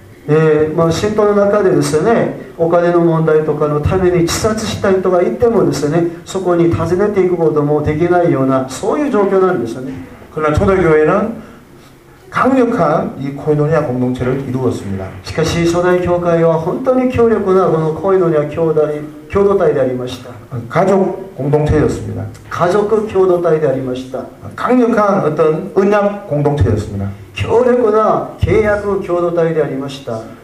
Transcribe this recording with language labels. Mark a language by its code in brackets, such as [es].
[ja] まあ、嫉妬の中でですね、お金の問題とかのために自殺した人がいてもですね、そこに訪ねていくこともできないような、そういう状況なんですよね。 [ko] 그러나초대교회는강력한이코이노니아공동체를이루었습니다 [ja] しかし初代教会は本当に強力なこのコイノニア共同体でありました。 [ko] 가족공동체였습니다 [ja] 가족共同体でありました。 [ko] 강력한어떤은약공동체였습니다 [ja] 強力な契約共同体でありました。